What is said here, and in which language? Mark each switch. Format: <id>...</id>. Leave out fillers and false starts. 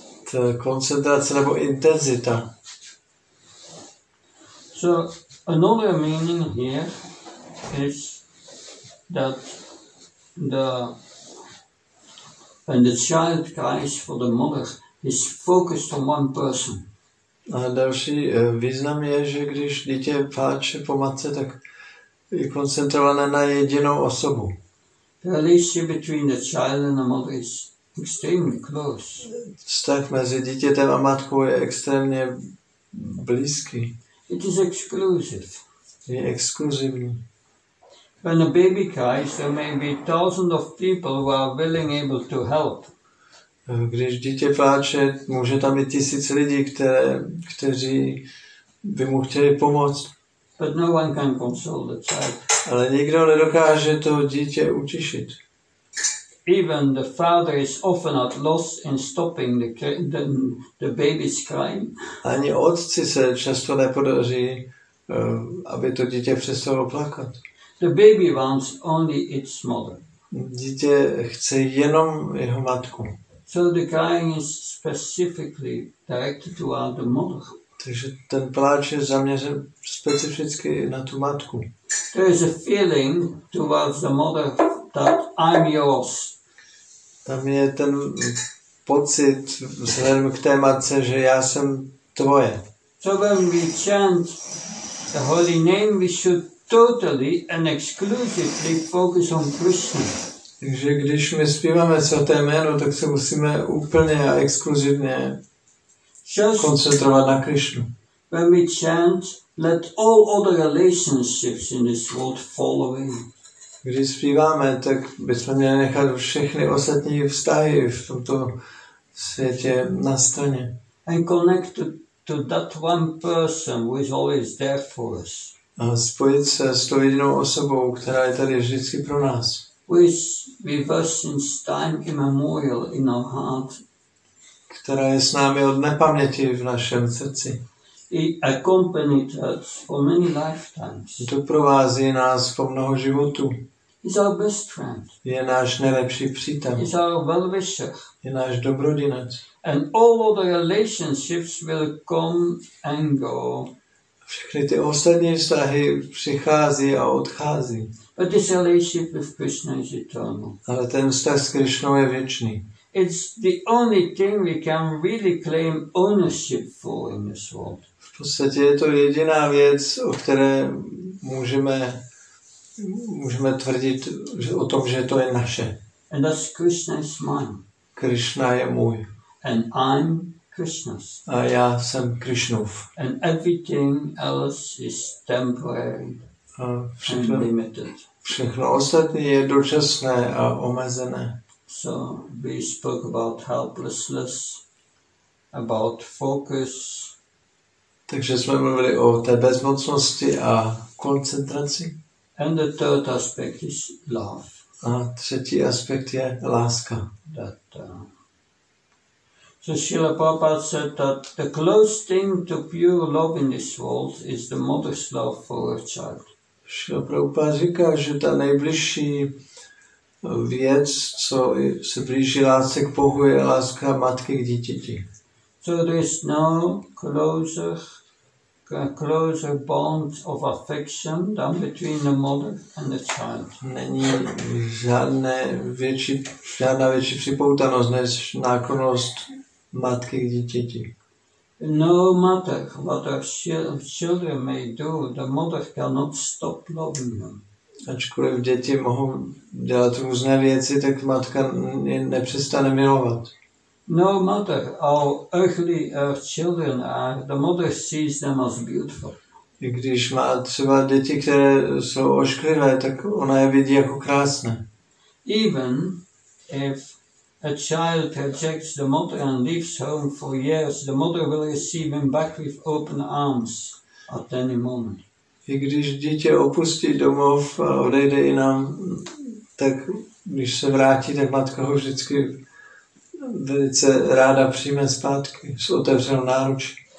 <cs>Ta koncentrace nebo intenzita.</cs> <en>So another meaning here is that when the child cries for the mother, he's focused on one person.</en> <cs>A další význam je, že když dítě pláče po matce, tak je koncentrované na jedinou osobu.</cs> <en>The relationship between the child and the mother is extremely close.</en> <cs>Vztah mezi dítětem a matkou je extrémně blízký.</cs> <en>It is exclusive.</en> <cs>Je exkluzivní.</cs> <en>When a baby cries, there may be thousands of people who are willing able to help.</en> <cs>Když dítě pláče, může tam být tisíc lidí, kteří by mu chtěli pomoct.</cs> <en>But no one can console the child.</en> <cs>Ale nikdo nedokáže to dítě utišit.</cs> <en>Even the father is often at loss in stopping the baby's crying.</en> <cs>Ani otci se často nepodaří, aby to dítě přestalo plakat.</cs> <en>The baby wants only its mother.</en> <cs>Dítě chce jenom jeho matku.</cs> <en>So the crying is specifically directed to the mother.</en> <cs>Takže ten pláč je zaměřen specificky na tu matku.</cs> <en>There is a feeling towards the mother that I'm yours.</en> <cs>Tam je ten pocit vzhledem k té matce, že já jsem tvoje.</cs> <en>So when we chant the holy name, we should totally and exclusively focus on Krishna.</en> <cs>Takže když my zpíváme svaté jméno, tak se musíme úplně a exkluzivně koncentrovat na Krishnu.</cs> <en>When we chant, let all other relationships in this world follow him.</en> <cs>Když zpíváme, tak bychom měli nechat všechny ostatní vztahy v tomto světě na straně.</cs> <en>And connect to that one person who is always there for us.</en> <cs>A spojit se s tou jedinou osobou, která je tady vždycky pro nás.</cs> <en>Which we were since time immemorial in our heart.</en> <cs>Která je s námi od nepaměti v našem srdci.</cs> <en>It accompanied us for many lifetimes.</en> <cs>Doprovází nás po mnoho životů.</cs> <en>Is our best friend.</en> <cs>Je náš nejlepší přítel.</cs> <en>Is our well-wisher.</en> <cs>Je náš dobrodinec.</cs> <en>And all other relationships will come and go.</en> <cs>Všechny ty ostatní vztahy přichází a odchází.</cs> <en>But this relationship with Krishna is eternal.</en> <cs>Ale ten vztah s Krishnou je věčný.</cs> <en>It's the only thing we can really claim ownership for in this world.</en> <cs>V podstatě je to jediná věc, o které můžeme tvrdit o tom, že to je naše.</cs> <en>And that's Krishna's mine.</en> <cs>Krishna je můj.</cs> <en>And I'm Krishna's.</en> <cs>A já jsem Krishnův.</cs> <en>And everything else is temporary.</en> <cs>A všechno,</cs> <en>and limited.</en> <cs>Všechno ostatní je dočasné a omezené.</cs> <en>So we spoke about helplessness, about focus.</en> <cs>Takže jsme mluvili o té bezmocnosti a koncentraci.</cs> <en>And the third aspect is love.</en> <cs>A třetí aspekt je láska.</cs> <en>So Srila Prabhupada said that the close thing to pure love in this world is the mother's love for her child.</en> <cs>Srila Prabhupada říká, že ta nejbližší věc, co se blíží lásce k Bohu, je láska matky k dítěti.</cs> <en>So there is no closer bond of affection than between the mother and the child.</en> <cs>Není žádná větší připoutanost než náklonnost matky k dítěti.</cs> <en>No matter what our children may do, the mother cannot stop loving them.</en> <cs>Ačkoliv děti mohou dělat různé věci, tak matka je nepřestane milovat.</cs> <en>No matter how ugly our children are, the mother sees them as beautiful.</en> <cs>I když má třeba děti, které jsou ošklivé, tak ona je vidí jako krásné.</cs> <en>Even if a child rejects the mother and leaves home for years, the mother will receive him back with open arms at any moment.</en> <cs>I když dítě opustí domov a odejde jinam, tak když se vrátí, tak matka ho vždycky velice ráda přijme zpátky s otevřenou náručí.</cs>